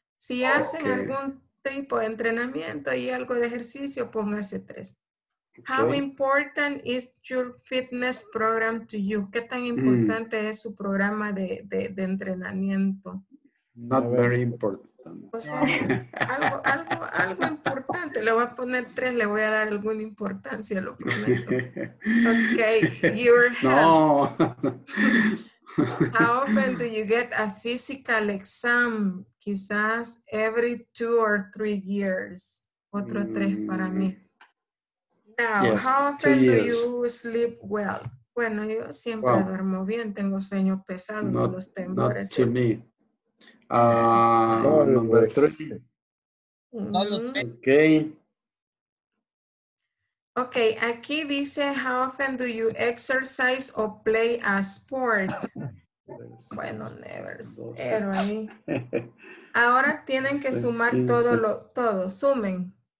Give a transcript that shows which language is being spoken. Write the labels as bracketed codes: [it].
[es] Si hacen algún tipo de entrenamiento y algo de ejercicio, póngase 3. [en] Okay. How important is your fitness program to you? [es] ¿Qué tan importante es su programa de entrenamiento? [en] Not very important. [es] O sea, algo importante. Le voy a poner 3, le voy a dar alguna importancia, lo prometo. [en] Okay, your health. [es] No. [en] How often do you get a physical exam? Quizás every 2 or 3 years. [es] Otro 3 para mí. Now, [en] yes, how often do you sleep well? [es] Bueno, yo siempre duermo bien, tengo sueño pesado, [en] not, [es] los temblores. [en] Not to me. Number three. Mm-hmm. Okay. Okay, [es] aquí dice, [en] how often do you exercise or play a sport? [es] Bueno, never, cero ahí. Ahora tienen que sumar todo lo, todo, sumen.